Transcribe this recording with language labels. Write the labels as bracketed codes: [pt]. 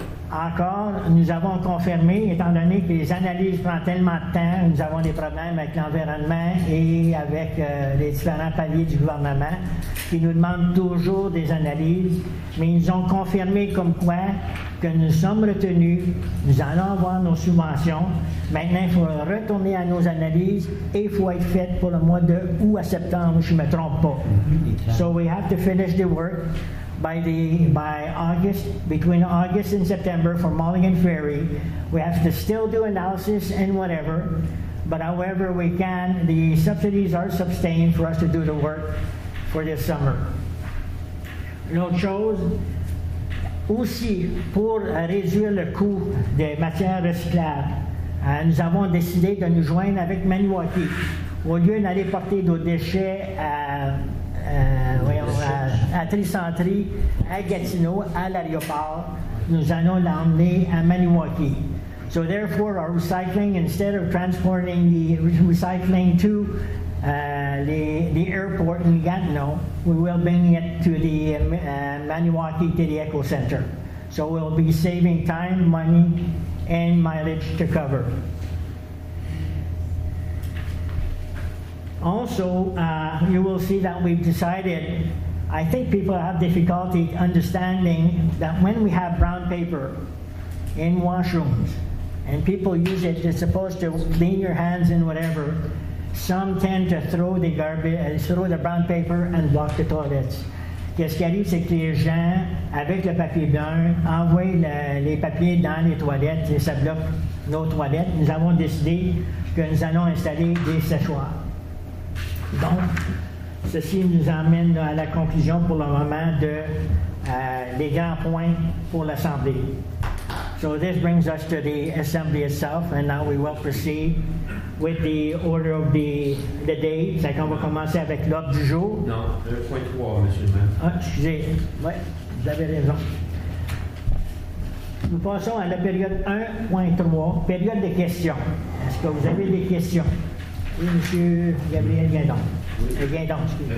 [fr] Encore, nous avons confirmé, étant donné que les analyses prennent tellement de temps, nous avons des problèmes avec l'environnement et avec les différents paliers du gouvernement qui nous demandent toujours des analyses, mais ils nous ont confirmé comme quoi que nous sommes retenus, nous allons avoir nos subventions. Maintenant, il faut retourner à nos analyses et il faut être fait pour le mois de août à septembre, je ne me trompe pas. [en] So we have to finish the work. By August, between August and September for Mulligan Ferry, we have to still do analysis and whatever, but however we can, the subsidies are sustained for us to do the work for this summer. [fr] L'autre chose, aussi pour réduire le coût des matières recyclables, nous avons décidé de nous joindre avec Maniwaki. Au lieu d'aller porter nos déchets à Tricentrie, à Gatineau, à l'aéroport, nous allons l'emmener à Maniwaki. [en] So therefore, our recycling, instead of transporting the recycling to the airport in Gatineau, we will bring it to the Maniwaki, to the Eco Center. So we'll be saving time, money, and mileage to cover. Also, you will see that we've decided, I think people have difficulty understanding that when we have brown paper in washrooms and people use it, they're supposed to clean your hands and whatever, some tend to throw the brown paper and block the toilets. [fr] Qu'est-ce qui arrive, c'est que les gens, avec le papier blanc, envoient les papiers dans les toilettes et ça bloque nos toilettes. Nous avons décidé que nous allons installer des séchoirs. Donc, ceci nous amène à la conclusion pour le moment de les grands points pour l'Assemblée. [en] So this brings us to the Assembly itself, and now we will proceed with the order of the day. [fr] C'est qu'on va commencer avec l'ordre du jour. Non, le point 3, M. le maire. Ah, excusez. Oui, vous avez raison. Nous passons à la période 1.3, période de questions. Est-ce que vous avez des questions? Oui, M. Gabriel Guindon. Oui. Guindon, excusez-moi.